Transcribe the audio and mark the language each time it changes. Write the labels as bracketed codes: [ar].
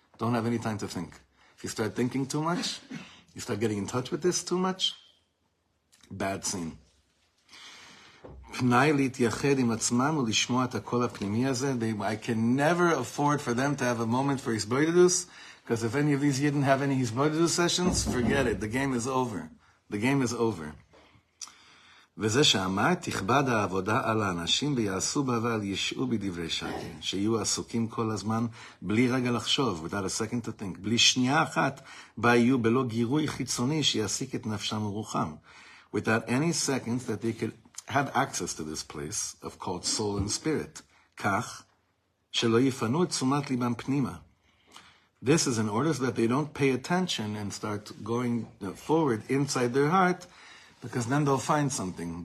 [en] Don't have any time to think. If you start thinking too much, you start getting in touch with this too much, bad scene. [he] P'nai l'ityached im atzman u'lishmo at ha'kol ha'pnimi hazeh. [en] I can never afford for them to have a moment for hisbodedus, because if any of these yidden have any hisbodedus sessions, forget it. The game is over. The game is over. [he] וזה שאמר תכבד העבודה על האנשים ויעשו בעבר ישעו בדברי שקר, שיהיו עסוקים כל הזמן בלי רגע לחשוב, [en] without a second to think, [he] בלי שנייה אחת בה יהיו בלא גירוי חיצוני שיעסיק את נפשם ורוחם. [en] Without any second that they could have access to this place of called soul and spirit, [he] כך שלא יפנו את תשומת ליבם פנימה. [en] This is in order that they don't pay attention and start going forward inside their heart, because then they'll find something.